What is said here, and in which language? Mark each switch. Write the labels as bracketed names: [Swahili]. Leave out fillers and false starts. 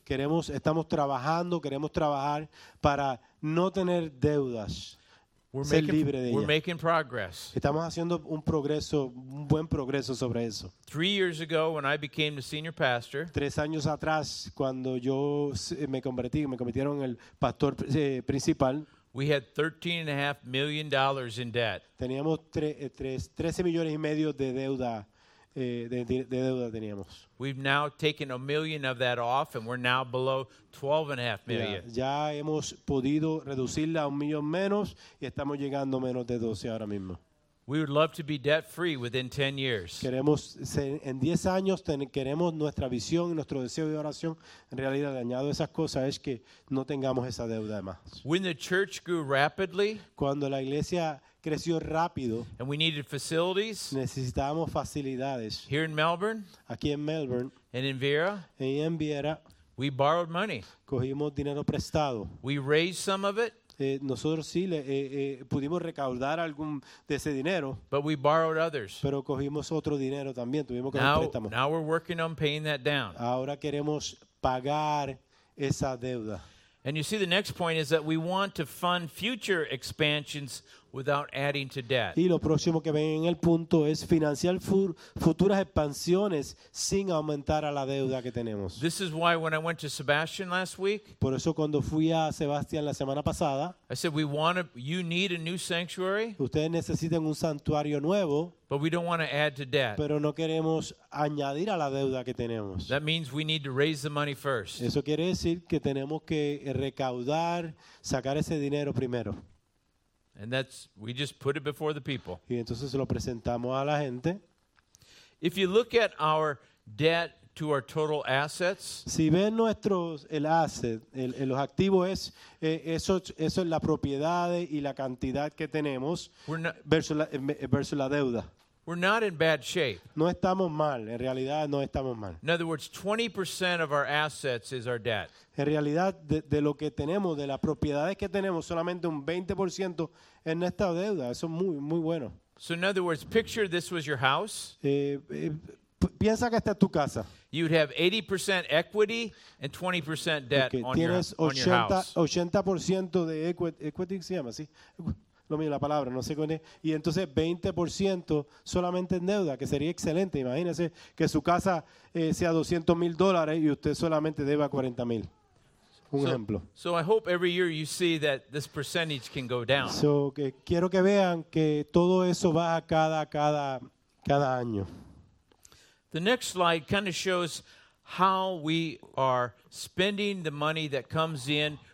[Spanish] Queremos, estamos trabajando, queremos trabajar para no tener deudas. [English] We're [Spanish] ser libre de ellas. [English] We're making progress. [Spanish] Estamos haciendo un progreso, un buen progreso sobre eso. [English] 3 years ago, when I became the senior pastor, [Spanish] 3 años atrás, cuando yo me convirtieron en el pastor principal. [English] We had $13.5 million in debt. [Spanish] Teníamos 13 millones y medio de deuda. De deuda teníamos. [English] We've now taken $1 million of that off, and we're now below $12.5 million. [Spanish] Ya hemos podido reducirla a un millón menos, y estamos llegando menos de 12 ahora mismo. [English] We would love to be debt free within 10 years. [Spanish] Queremos en 10 años queremos nuestra visión y nuestro deseo de oración en realidad dañado esas cosas es que no tengamos esa deuda más. [English] When the church grew rapidly, [Spanish] cuando la iglesia creció rápido, [English] and we needed facilities, [Spanish] necesitábamos facilidades. [English] Here in Melbourne, [Spanish] aquí en Melbourne, [English] and in Viera, [Spanish] y en Viera, [English] we borrowed money. [Spanish] Cogimos dinero prestado. [English] We raised some of it. [Spanish] Nosotros sí pudimos recaudar algún de ese dinero, [English] but we borrowed others. [Spanish] Pero cogimos otro dinero también, tuvimos que hacer préstamos. [English] Now we're working on paying that down. [Spanish] Ahora queremos pagar esa deuda. [English] And you see, the next point is that we want to fund future expansions without adding to debt. [Spanish] Y lo próximo que ven en el punto es financiar futuras expansiones sin aumentar a la deuda que tenemos. [English] This is why when I went to Sebastian last week, [Spanish] por eso cuando fui a Sebastian la semana pasada, [English] I said you need a new sanctuary. [Spanish] Ustedes necesitan un santuario nuevo. [English] But we don't want to add to debt. [Spanish] Pero no queremos añadir a la deuda que tenemos. [English] That means we need to raise the money first. [Spanish] Eso quiere decir que tenemos que recaudar, sacar ese dinero primero. [English] And that's we just put it before the people. [Spanish] Y entonces lo presentamos a la gente. [English] If you look at our debt to our total assets, [Spanish] si ven nuestros el asset, los activos es eso es la propiedad y la cantidad que tenemos versus la deuda. [English] We're not in bad shape. [Spanish] No estamos mal, en realidad no estamos mal. [English] In other words, 20% of our assets is our debt. [Spanish] En realidad de lo que tenemos, de las propiedades que tenemos, solamente un 20% es nuestra deuda. Eso es muy muy bueno. [English] So in other words, picture this was your house. [Spanish] Piensa que esta es tu casa. [English] You'd have 80% equity and 20% debt okay. On tienes your on your house. [Spanish] 80% de equity se llama así. Lo mismo, la palabra, no sé cuál es. Y entonces 20% solamente en deuda, que sería excelente. Imagínese que su casa sea $200,000 y usted solamente deba $40,000. Un ejemplo. [English] So I hope every year you see that this percentage can go down. [Spanish] So que quiero que vean que todo eso baja cada año. [English] The next slide kind of shows how we are spending the money that comes in